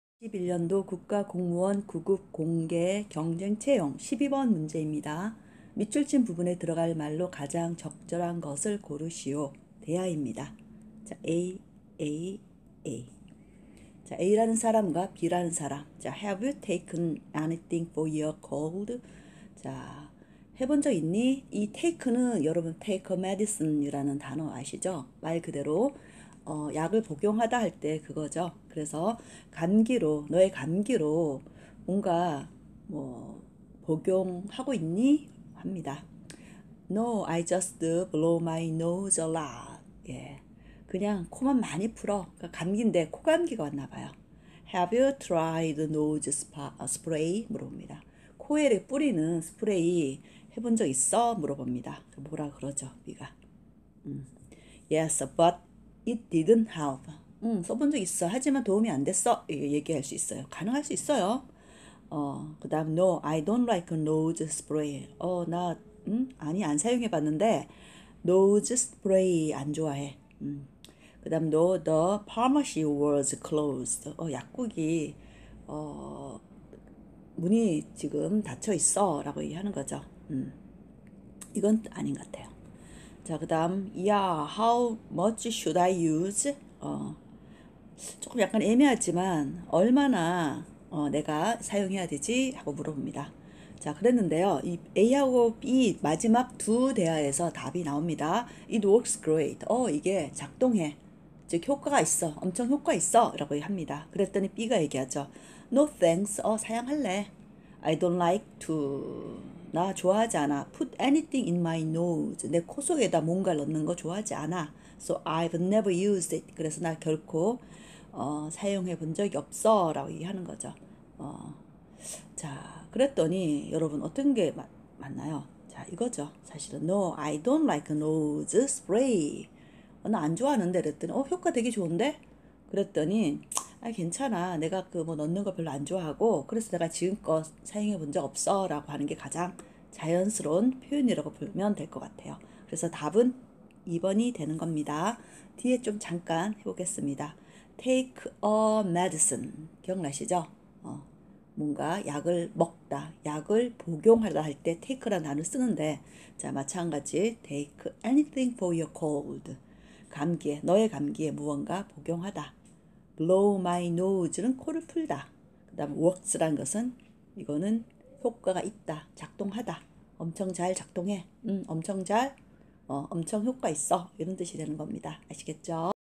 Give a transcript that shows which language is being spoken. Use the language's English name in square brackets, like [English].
[Korean] 2021년도 국가공무원 9급 공개 경쟁 채용 12번 문제입니다. 밑줄친 부분에 들어갈 말로 가장 적절한 것을 고르시오. 대야입니다. 자, A. 자, A라는 사람과 B라는 사람. [English] 자, have you taken anything for your cold? [Korean] 자, 해본 적 있니? 이 take는 여러분 take a medicine이라는 단어 아시죠? 말 그대로 약을 복용하다 할때 그거죠. 그래서 감기로, 너의 감기로 뭔가 뭐 복용하고 있니? 합니다. [English] No, I just blow my nose a lot. [Korean] 예. 그냥 코만 많이 풀어. 감기인데 코감기가 왔나 봐요. [English] Have you tried nose spray? [Korean] 물어봅니다. 코에 뿌리는 스프레이 해본 적 있어? 물어봅니다. 뭐라 그러죠, 네가. [English] Yes, but it didn't help. [Korean] 써본 적 있어. 하지만 도움이 안 됐어. 얘기할 수 있어요. 가능할 수 있어요. 그 다음, [English] No, I don't like nose spray. [Korean] 나, 아니, 안 사용해 봤는데, nose spray 안 좋아해. 그 다음, [English] No, the pharmacy was closed. [Korean] 약국이, 문이 지금 닫혀 있어. 라고 얘기하는 거죠. 이건 아닌 것 같아요. 자, 그 다음, [English] Yeah, how much should I use? [Korean] 조금 약간 애매하지만, 얼마나 내가 사용해야 되지? 하고 물어봅니다. 자, 그랬는데요. 이 A하고 B 마지막 두 대화에서 답이 나옵니다. [English] It works great. [Korean] 이게 작동해. 즉, 효과가 있어. 엄청 효과 있어. 라고 합니다. 그랬더니 B가 얘기하죠. [English] No thanks. [Korean] 사양할래. [English] I don't like to. [Korean] 나 좋아하지 않아. [English] Put anything in my nose. [Korean] 내코 속에다 뭔가를 넣는 거 좋아하지 않아. [English] So I've never used it. [Korean] 그래서 나 결코 사용해 본 적이 없어. 라고 얘기하는 거죠. 자, 그랬더니 여러분 어떤 게 맞나요? 자, 이거죠. 사실은 [English] No, I don't like nose spray. [Korean] 나안 좋아하는데 그랬더니 효과 되게 좋은데? 그랬더니 아, 괜찮아. 내가 그뭐 넣는 거 별로 안 좋아하고 그래서 내가 지금껏 사용해 본적 없어. 라고 하는 게 가장 자연스러운 표현이라고 보면 될것 같아요. 그래서 답은 2번이 되는 겁니다. 뒤에 좀 잠깐 해보겠습니다. [English] Take a medicine. [Korean] 기억나시죠? 뭔가 약을 먹다, 약을 복용하다 할때 take라는 단어 쓰는데, 자, 마찬가지. [English] Take anything for your cold. [Korean] 감기에, 너의 감기에 무언가 복용하다. [English] Blow my nose [Korean] 는 코를 풀다. 그 다음, works란 것은 이거는 효과가 있다. 작동하다. 엄청 잘 작동해. 엄청 잘, 엄청 효과 있어. 이런 뜻이 되는 겁니다. 아시겠죠?